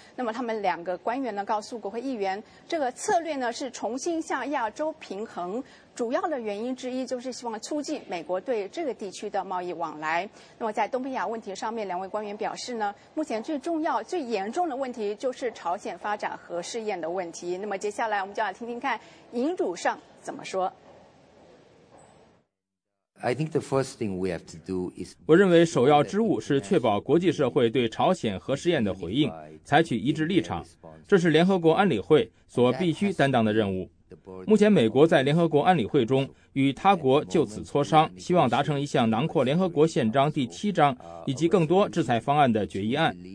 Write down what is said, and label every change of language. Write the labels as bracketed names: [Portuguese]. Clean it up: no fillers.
[Chinese] 那么他们两个官员呢告诉国会议员，这个策略呢是重新向亚洲平衡，主要的原因之一就是希望促进美国对这个地区的贸易往来。那么在东北亚问题上面，两位官员表示呢，目前最重要最严重的问题就是朝鲜发展核试验的问题。那么接下来我们就要听听看尹汝尚怎么说。 [English] I think the first thing we have to do is. [Chinese] 我认为首要之务是确保国际社会对朝鲜核试验的回应，采取一致立场。这是联合国安理会所必须担当的任务。目前，美国在联合国安理会中与他国就此磋商，希望达成一项囊括联合国宪章第七章以及更多制裁方案的决议案。